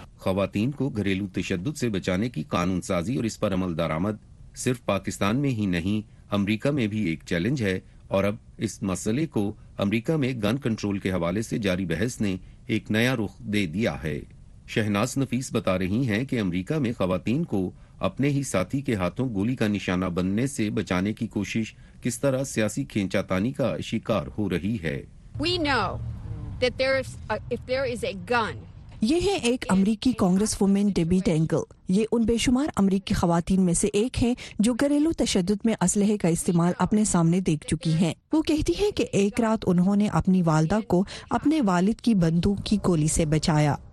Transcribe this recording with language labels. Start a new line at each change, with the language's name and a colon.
Urdu: خواتین کو گھریلو تشدد سے بچانے کی قانون سازی اور اس پر عمل درآمد صرف پاکستان میں ہی نہیں امریکہ میں بھی ایک چیلنج ہے, اور اب اس مسئلے کو امریکہ میں گن کنٹرول کے حوالے سے جاری بحث نے ایک نیا رخ دے دیا ہے. شہناز نفیس بتا رہی ہیں کہ امریکہ میں خواتین کو اپنے ہی ساتھی کے ہاتھوں گولی کا نشانہ بننے سے بچانے کی کوشش کس طرح سیاسی کھینچا تانی کا شکار ہو رہی ہے.
English: We know that if there is a gun.
Urdu: یہ ہے ایک امریکی کانگریس وومن ڈیبی ٹینگل. یہ ان بے شمار امریکی خواتین میں سے ایک ہیں جو گھریلو تشدد میں اسلحے کا استعمال اپنے سامنے دیکھ چکی ہیں. وہ کہتی ہیں کہ ایک رات انہوں نے اپنی والدہ کو اپنے والد کی بندوق کی گولی سے بچایا.